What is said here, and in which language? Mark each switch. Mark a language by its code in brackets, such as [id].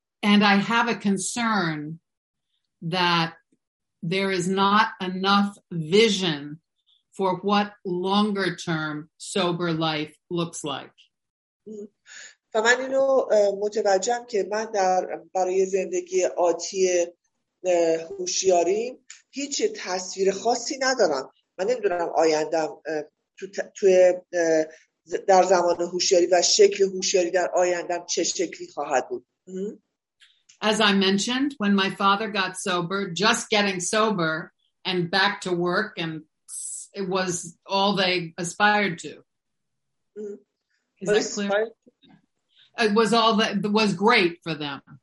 [en] And I have a concern that there is not enough vision for what longer term sober life looks like. [fa] و من اینو متوجهم که من در برای زندگی آتی هوشیاریم هیچ تصویر خاصی ندارم. من نمیدونم آیندم توی در زمان هوشیاری و شکل هوشیاری در آیندم چه شکلی خواهد بود. [en] As I mentioned, when my father got sober, just getting sober and back to work, and it was all they aspired to. Is that clear? It was all that was great for them.